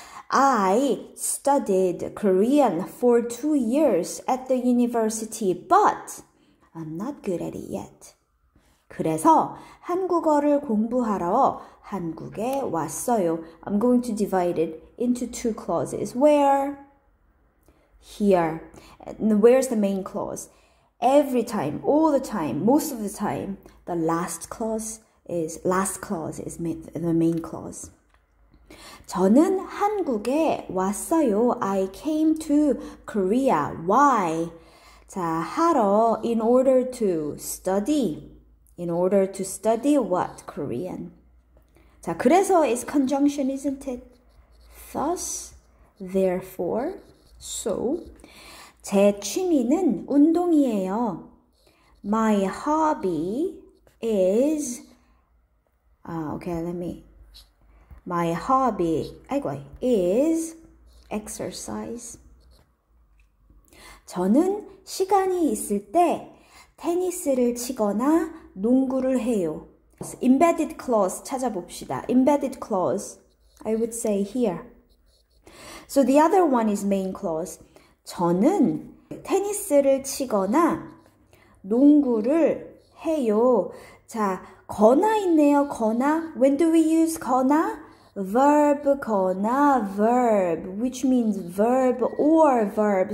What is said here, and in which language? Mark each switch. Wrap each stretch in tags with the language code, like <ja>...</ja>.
<en>I studied Korean for 2 years at the university, but I'm not good at it yet.</en> <ko>그래서 한국어를 공부하러 한국에 왔어요.</ko> <en>I'm going to divide it into two clauses. Where? Here. And where's the main clause? Every time, all the time, most of the time, the last clause is the main clause.</en> <ko>저는 한국에 왔어요.</ko> <en>I came to Korea. Why? 자, 하러, in order to study. In order to study what? Korean. 자, 그래서 is conjunction, isn't it? Thus, therefore, so.</en> <ko>제 취미는 운동이에요.</ko> <en>My hobby is. Okay, let me. My hobby, 아이고, is exercise.</en> <ko>저는 시간이 있을 때 테니스를 치거나 농구를 해요.</ko> <en>Embedded clause 찾아봅시다. Embedded clause, I would say here. So the other one is main clause.</en> <ko>저는 테니스를 치거나 농구를 해요. 자, 거나 있네요.</ko> <en>거나. When do we use 거나? Verb, 거나, verb, which means verb or verb.</en>